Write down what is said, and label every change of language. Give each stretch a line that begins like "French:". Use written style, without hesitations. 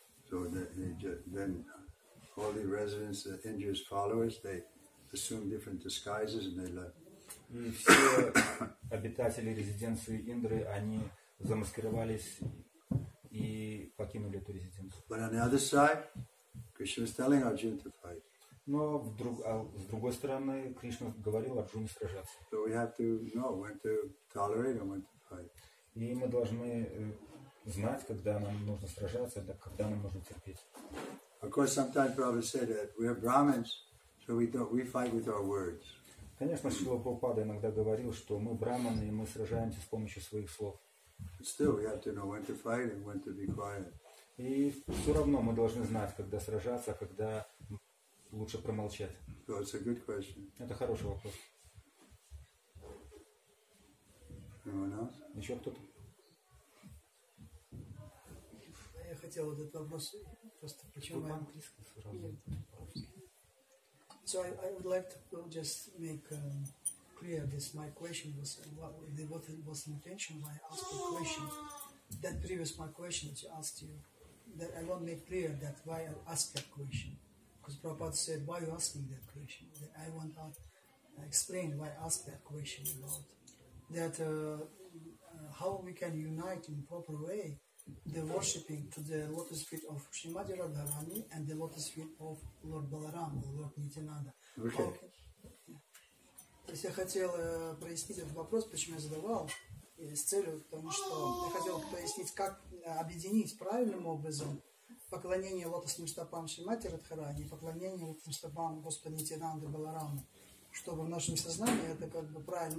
English: So then all the residents, the Indra's followers, they assume different disguises and they left.
Russian: И все обитатели резиденции Индры, они замаскировались и покинули эту резиденцию.
English: But on the other side, Krishna was telling Arjuna to fight.
Russian: Но с другой стороны, Кришна говорил Арджуне сражаться.
English: So we have to know when to tolerate and when to fight.
Russian: И мы должны знать, когда нам нужно сражаться, да, когда нам нужно терпеть.
English: Of course, sometimes Prabhupada said that we are Brahmins, so we fight with our words.
Russian: Конечно, Шрила Прабхупада иногда говорил, что мы брахманы, и мы сражаемся с помощью своих слов.
English: But still, we have to know when to fight and when to be quiet.
Russian: И все равно мы должны знать, когда сражаться, а когда лучше промолчать.
English: So it's a good question.
Russian: Это хороший вопрос.
English: Anyone else?
Russian: Еще кто-то? Я хотел вот этот вопрос просто почему по-английски сразу.
English: So I would like to just make clear this. My question was what was the intention by asking the question that previous my question that you asked you. That I want to make clear that why I ask that question. Because Prabhupada said, why are you asking that question? That I want to explain why I ask that question a lot. That how we can unite in proper way the worshipping to the lotus feet of Srimati Radharani and the lotus feet of Lord Balaram, Lord Nityananda. Okay.
Russian: Если я хотел прояснить этот вопрос, почему я задавал, с целью, потому что я хотел пояснить, как объединить правильным образом поклонение лотосным стопам Шримати Радхарани и поклонение лотосным стопам Господа Нитинанды Баларамы, чтобы в нашем сознании это как бы правильно.